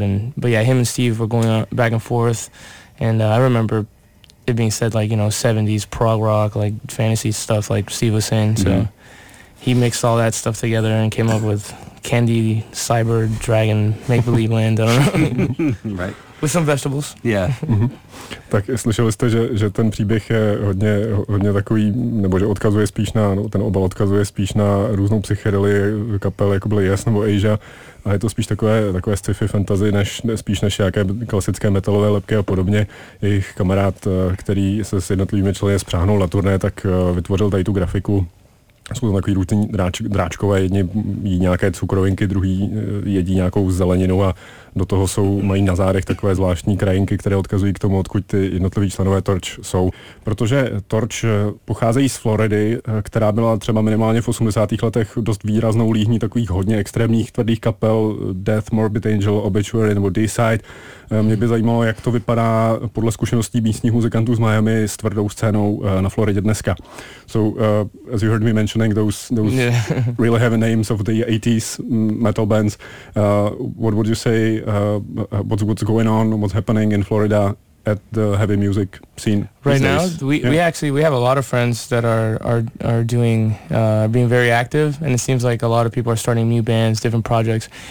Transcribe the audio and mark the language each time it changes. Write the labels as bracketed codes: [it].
[en] And but yeah, him and Steve were going back and forth. And I remember it being said, like, you know, 70s prog rock, like fantasy stuff, like Steve was saying. So he mixed all that stuff together and came up with Candy Cyber Dragon Make Believe Land. I don't know. Right. With some vegetables. Yeah. [cs] Tak slyšeli jste, že ten příběh je hodně, hodně takový, nebo že odkazuje spíš na, no, ten obal odkazuje spíš na různou psychedeli kapel, jako byly Yes nebo Asia, a je to spíš takové sci-fi fantasy, než spíš než nějaké klasické metalové lepky a podobně. Jejich kamarád, který se s jednotlivými členy spřáhnul na turné, tak vytvořil tady tu grafiku. Jsou tam takový různý dráčkové, jedni jí nějaké cukrovinky, druhý jedí nějakou zeleninu a do toho jsou, mají na zádech takové zvláštní krajinky, které odkazují k tomu, odkud ty jednotliví členové Torch jsou. Protože Torch pocházejí z Floridy, která byla třeba minimálně v 80. letech dost výraznou líhní takových hodně extrémních tvrdých kapel, Death, Morbid Angel, Obituary nebo Deicide. Mě by zajímalo, jak to vypadá podle zkušeností místních muzikantů z Miami s tvrdou scénou na Floridě dneska. [en] So, as you heard me mentioning those yeah. really heavy names of the 80s metal bands, what would you say, what's going on, what's happening in Florida at the heavy music scene? Right now, we have a lot of friends that are doing, being very active, and it seems like a lot of people are starting new bands, different projects.